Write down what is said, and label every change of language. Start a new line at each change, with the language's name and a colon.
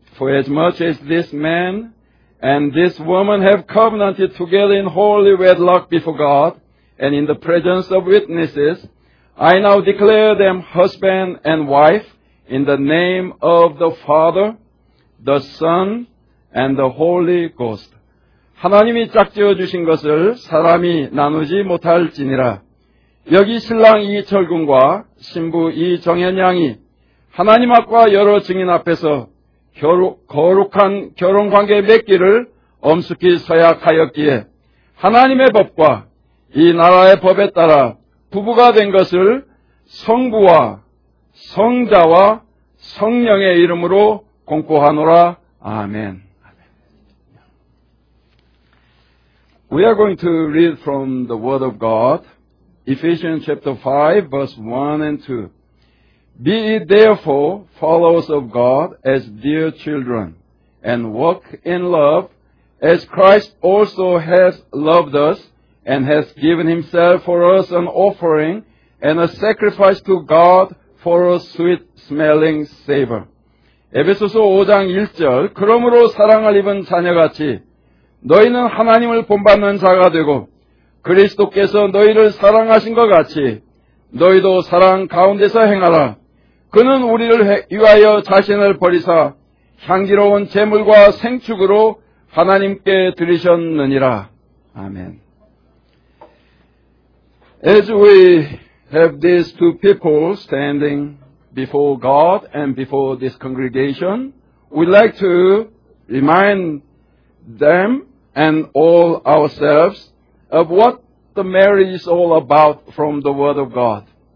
English: For as much as this man and this woman have covenanted together in holy wedlock before God and in the presence of witnesses, I now declare them husband and wife in the name of the Father, the Son, and the Holy Ghost.
Korean: 하나님이 짝지어 주신 것을 사람이 나누지 못할지니라. 여기 신랑 이철군과 신부 이정현 양이 하나님 앞과 여러 증인 앞에서 거룩한 결혼 관계 맺기를 엄숙히 서약하였기에 하나님의 법과 이 나라의 법에 따라 부부가 된 것을 성부와 성자와 성령의 이름으로 공고하노라. 아멘.
English: We are going to read from the Word of God, Ephesians chapter 5, verse 1 and 2. Be it therefore followers of God as dear children, and walk in love, as Christ also has loved us, and has given himself for us an offering and a sacrifice to God for a sweet-smelling savor.
Korean: 에베소서 5장 1절, 그러므로 사랑을 입은 자녀같이 너희는 하나님을 본받는 자가 되고 그리스도께서 너희를 사랑하신 것 같이 너희도 사랑 가운데서 행하라. 그는 우리를 위하여 자신을 버리사 향기로운 제물과 생축으로 하나님께 드리셨느니라. 아멘.
English: As we have these two people standing before God and before this congregation, we'd like to remind them and all ourselves of what the marriage is all about from the Word of God.